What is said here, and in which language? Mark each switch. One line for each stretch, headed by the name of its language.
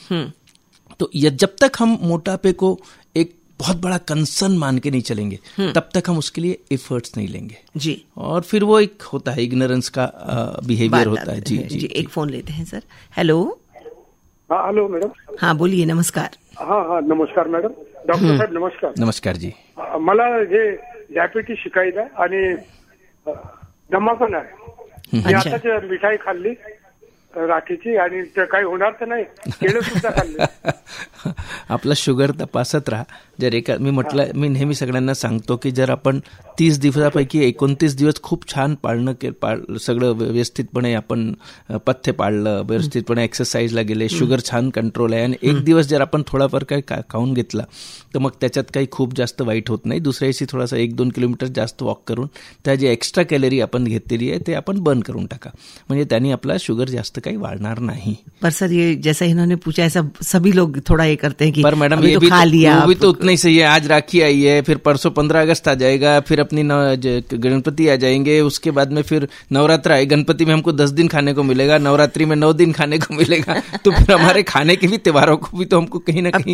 Hindi: तो जब तक हम मोटापे को बहुत बड़ा कंसर्न मान के नहीं चलेंगे तब तक हम उसके लिए एफर्ट्स नहीं लेंगे जी, और फिर वो एक होता है इग्नोरेंस का बिहेवियर होता है जी। एक फोन लेते हैं सर। हेलो, हाँ हेलो मैडम, हाँ बोलिए, नमस्कार। हाँ नमस्कार मैडम, डॉक्टर साहब नमस्कार। नमस्कार जी,
Marathi: मला जे डायबिटीज
Hindi: शिकायत है
Marathi: आणि दमापण आहे, अच्छा जे मिठाई खाल्ली राखीची आणि काही होणार तर नाही, केळं सुद्धा खाल्ले। आपला शुगर तपासत राहा, जर एका मी म्हटलं मी नेहमी सगळ्यांना सांगतो की जर आपण 30 दिवसापैकी 29 दिवस खूप छान पाळणं सगळं व्यवस्थितपणे आपण पथ्य पाळलं, व्यवस्थितपणे एक्सरसाइजला गेले, शुगर छान कंट्रोल आहे, आणि एक दिवस जर आपण थोडाफार काही खाऊन घेतला तर मग त्याच्यात काही खूप जास्त वाईट होत नाही। दुसऱ्या दिवशी थोडासा 1-2 किलोमीटर जास्त वॉक करून त्या जे एक्स्ट्रा कॅलरी आपण घेतलेली आहे ते आपण बर्न करून टाका, म्हणजे त्याने आपला शुगर जास्त काही वाढणार नाही।
Hindi: पर सर ये जैसा इन्होंने पूछा ऐसा सभी लोग थोड़ा ये करते हैं कि पर मैडम ये भी खा लिया अभी तो उतना ही सही है, आज राखी आई है, फिर परसों 15 अगस्त आ जाएगा, फिर अपनी गणपति आ जाएंगे, उसके बाद में फिर नवरात्र आए, गणपति में हमको 10 दिन खाने को मिलेगा, नवरात्रि में 9 दिन खाने को मिलेगा, तो फिर हमारे खाने के भी त्योहारों को भी तो हमको कहीं ना कहीं